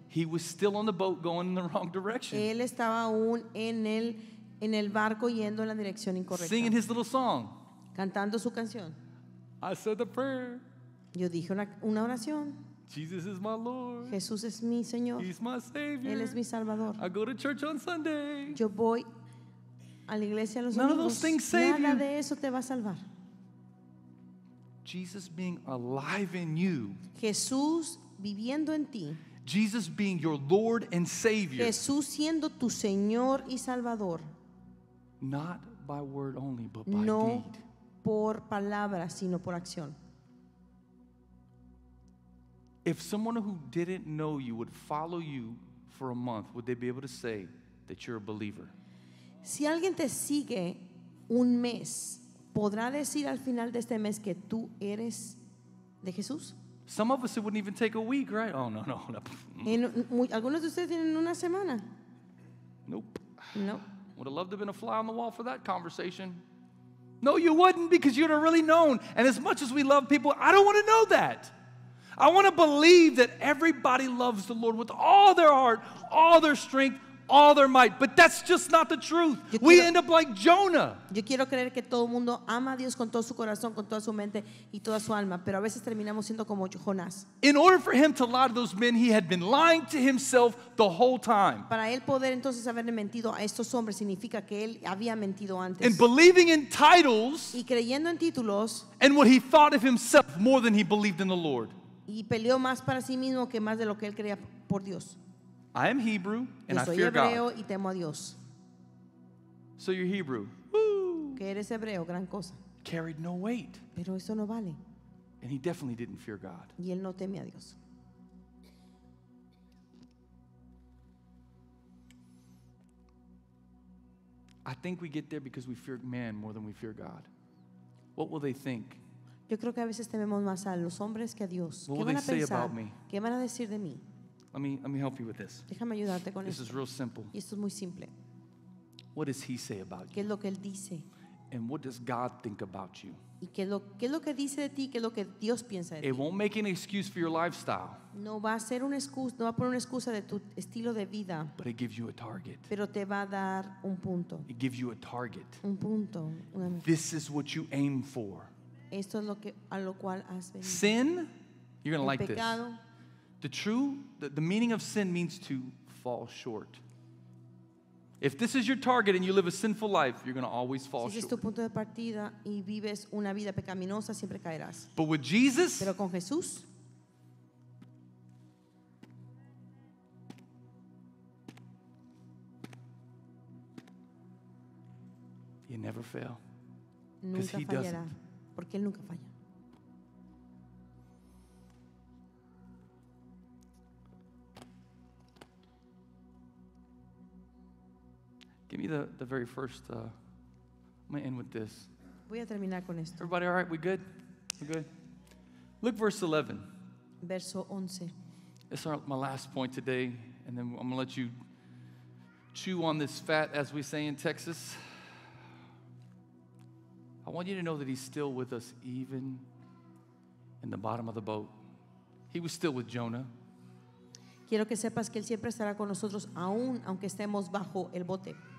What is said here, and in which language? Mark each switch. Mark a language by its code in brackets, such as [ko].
[en] He was still on the boat going in the wrong direction. [es] Él estaba aún en el barco yendo en la dirección incorrecta. [en] Singing his little song. [es] Cantando su canción. [en] I said the prayer. [es] Yo dije una oración. [en] Jesus is my Lord. [es] Jesús es mi Señor. [en] He's my Savior. [es] Él es mi Salvador. [en] I go to church on Sunday. [es] Yo voy a la iglesia los domingos. [en] None of those things save you. [es] Nada de eso te va a salvar. [en] Jesus being alive in you. [es] Jesús viviendo en ti. [en] Jesus being your Lord and Savior. [es] Jesús siendo tu Señor y Salvador. [en] Not by word only, but by [es] no [en] deed. [es] No por palabra, sino por acción. [en] If someone who didn't know you would follow you for a month, would they be able to say that you're a believer? [es] Si alguien te sigue un mes, ¿podrá decir al final de este mes que tú eres de Jesús? [en] Some of us, it wouldn't even take a week, right? Oh, no, no. [es] ¿Algunos de ustedes tienen una semana? [en] Nope. Nope. Would have loved to have been a fly on the wall for that conversation. No, you wouldn't, because you'd have really known. And as much as we love people, I don't want to know that. I want to believe that everybody loves the Lord with all their heart, all their strength, all their might. But that's just not the truth. We end up like Jonah. [es] Yo quiero creer que todo el mundo ama a Dios con todo su corazón, con toda su mente y toda su alma. Pero a veces terminamos siendo como Jonás. [en] In order for him to lie to those men, he had been lying to himself the whole time. [es] Para él poder entonces haberle mentido a estos hombres significa que él había mentido antes. [en] And believing in titles. [es] Y creyendo en títulos. [en] And what he thought of himself more than he believed in the Lord. [es] Y peleó más para sí mismo que más de lo que él creía por Dios. [en] I am Hebrew and [es] soy [en] I fear [es] hebreo [en] God. [es] Y temo a Dios. [en] So you're Hebrew. [es] Que eres hebreo, gran cosa. [en] Carried no weight. [es] Pero eso no vale. [en] And he definitely didn't fear God. [es] Y él no teme a Dios. [en] I think we get there because we fear man more than we fear God. What will they think? [es] Yo creo que a veces tememos más a los hombres que a Dios. ¿Qué van a pensar? ¿Qué van a decir de mí? [en] Let me help you with this. [es] Déjame ayudarte con [en] this [es] esto. [en] Is real simple. [es] Y esto es muy simple. [en] What does he say about you? [es] ¿Qué es lo que él dice? [en] And what does God think about you? [es] ¿Y qué es lo que dice de ti? ¿Qué es lo que Dios piensa de [en] it [es] ti? [en] Won't make an excuse for your lifestyle. [es] No va a ser una excusa, no va a poner una excusa de tu estilo de vida. [en] But it gives you a target. [es] Pero te va a dar un punto. [en] It gives you a target. [es] Un punto. [en] This is what you aim for. [es] Esto es lo que a lo cual has venido. [en] Sin, you're going to like [es] pecado, [en] this. The meaning of sin means to fall short. If this is your target and you live a sinful life, you're going to always fall short. [es] Si es tu punto de partida y vives una vida pecaminosa, siempre caerás. [en] But with Jesus, [es] pero con Jesús, [en] you never fail. Because he [es] fallará, [en] doesn't. [es] Porque él nunca falla. [en] Give me the very first. I'm gonna end with this. [es] Voy a terminar con esto. [en] Everybody, all right? We good? We good? Look, verse 11. [es] Verso 11. [en] It's my last point today, and then I'm gonna let you chew on this fat, as we say in Texas. I want you to know that he's still with us, even in the bottom of the boat. He was still with Jonah. [es] Quiero que sepas que él siempre estará con nosotros, aún aunque estemos bajo el bote.